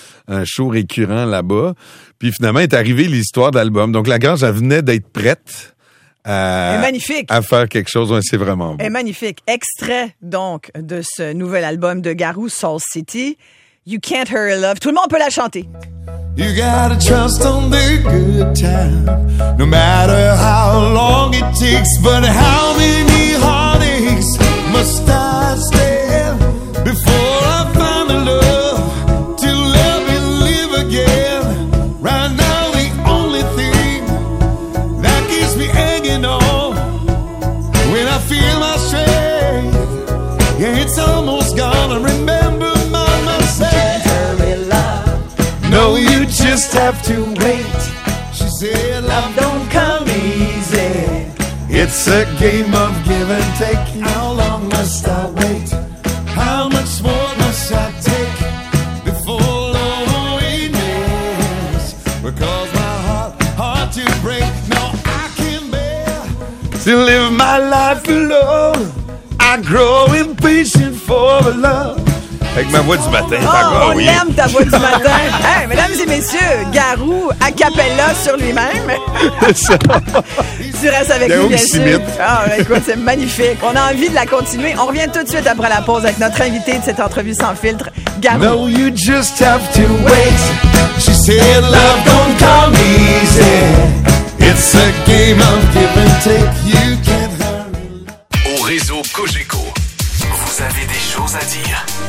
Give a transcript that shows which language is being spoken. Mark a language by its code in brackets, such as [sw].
[fr] Un show récurrent là-bas. Puis finalement, est arrivée l'histoire d'album. Donc la grange, elle venait d'être prête magnifique. À faire quelque chose. Ouais, c'est vraiment beau. Et magnifique. Extrait, donc, de ce nouvel album de Garou, Soul City. You Can't Hurry Love. Tout le monde peut la chanter. [en] You gotta trust on the good time, no matter how long it takes. But how many heartaches must I stay before I find the love to love and live again? Right now the only thing that keeps me hanging on, when I feel my strength, yeah, it's almost gone. I remember my mistake. You can't hurry love. No, you just have to wait. She said love don't come easy. It's a game of give and take. How long must I wait? How much more must I take before loneliness will cause my heart to break? No, I can bear to live my life alone. I grow impatient for love. [fr] Avec ma voix du matin. Oh, on l'aime, ta voix du matin. Hey, mesdames et messieurs, Garou a cappella sur lui-même. Tu restes avec nous, bien sûr. Écoute, c'est magnifique. On a envie de la continuer. On revient tout de suite après la pause avec notre invité de cette entrevue sans filtre, Garou. [en] No, you just have to wait. She said love don't come easy. It's a game of give and take. You can't hurry. [fr] Au réseau Cogeco, vous avez des choses à dire.